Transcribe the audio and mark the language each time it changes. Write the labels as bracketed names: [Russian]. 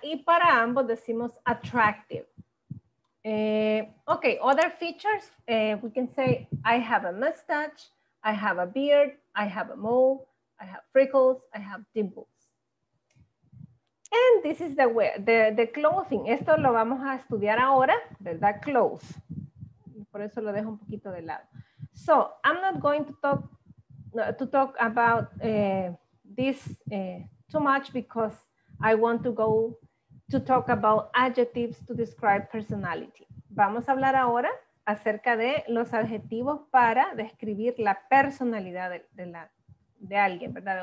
[Spanish] Y para ambos decimos [English] attractive. Okay, other features, we can say, I have a mustache, I have a beard, I have a mole, I have freckles, I have dimples. And this is the clothing. [Spanish] Esto lo vamos a estudiar ahora, ¿verdad? [English] Clothes. [Spanish] Por eso lo dejo un poquito de lado. [English] So, I'm not going to talk about this too much because I want to go to talk about adjectives to describe personality. [Spanish] Vamos a hablar ahora acerca de los adjetivos para describir la personalidad de alguien, ¿verdad?